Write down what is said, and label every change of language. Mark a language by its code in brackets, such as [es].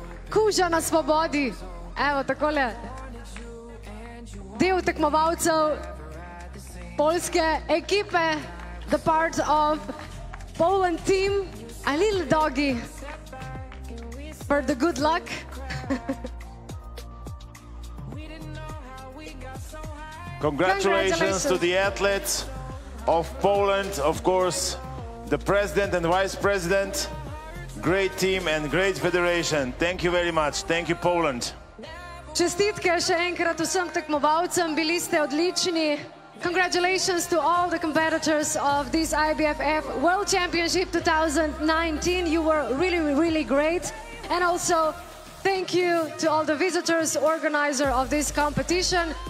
[sl] Kuža na svobodi. Evo, takole. del tekmovalcev polske ekipe, [en] the part of Poland team, a little doggy for the good luck. Congratulations to the athletes of Poland, of course, the president and vice president. Great team and great federation. Thank you very much. Thank you, Poland. [sl] Čestitke še enkrat vsem tekmovalcem, bili ste odlični. [en] Congratulations to all the competitors of this IBFF World Championship 2019. You were really, really great. And also, thank you to all the visitors, organizer of this competition.